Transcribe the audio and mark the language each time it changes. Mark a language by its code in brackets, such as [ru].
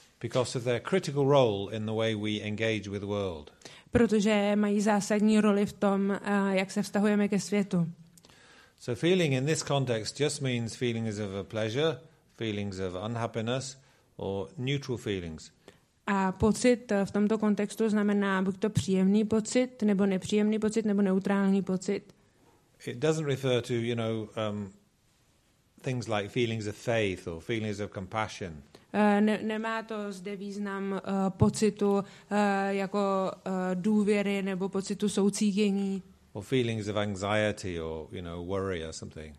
[en] Because of their critical role in the way we engage with the world. [cs] Protože mají zásadní roli v tom, jak se vztahujeme ke světu. [en] So feeling in this context just means feelings of a pleasure, feelings of unhappiness or neutral feelings. [cs] A pocit v tomto kontextu znamená buď to příjemný pocit, nebo nepříjemný pocit, nebo neutrální pocit. [en] It doesn't refer to, you know, things like feelings of faith or feelings of compassion. [cs] Nemá to zde význam pocitu jako důvěry nebo pocitu soucítění. [en] Or feelings of anxiety or, you know, worry or something.